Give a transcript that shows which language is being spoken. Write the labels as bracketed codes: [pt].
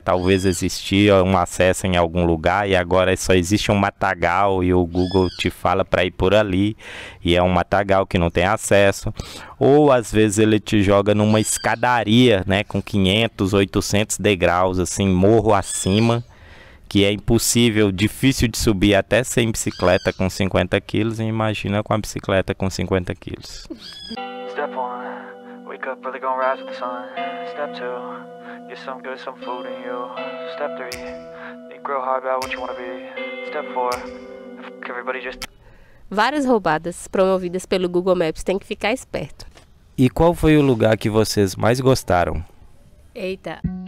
[pt] Talvez existia um acesso em algum lugar e agora só existe um matagal e o Google te fala para ir por ali e é um matagal que não tem acesso. Ou às vezes ele te joga numa escadaria, né, com 500, 800 degraus, assim, morro acima, que é impossível, difícil de subir até sem bicicleta com 50 quilos. E imagina com a bicicleta com 50 quilos. [en] Step one. Wake up, early gonna rise with the sun. Step two, get some good, some food in you. Step three, think real hard about what you wanna be. Step four, fuck everybody just... [pt] Várias roubadas promovidas pelo Google Maps, tem que ficar esperto. E qual foi o lugar que vocês mais gostaram? Eita!